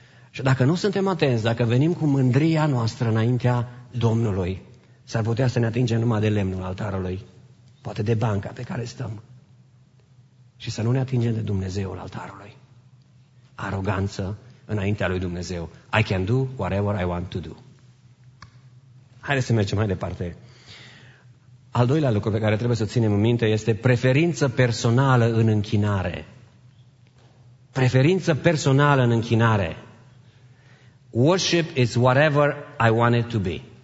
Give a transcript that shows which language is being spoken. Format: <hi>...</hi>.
<ro>Și dacă nu suntem atenți, dacă venim cu mândria noastră înaintea Domnului, s-ar putea să ne atingem numai de lemnul altarului, poate de banca pe care stăm, și să nu ne atingem de Dumnezeul altarului. Aroganță înaintea lui Dumnezeu.</ro> <en>I can do whatever I want to do.</en> <ro>Haideți să mergem mai departe. Al doilea lucru pe care trebuie să ținem în minte este preferință personală în închinare. Preferință personală în închinare.</ro> <en>Worship is whatever I want it to be.</en>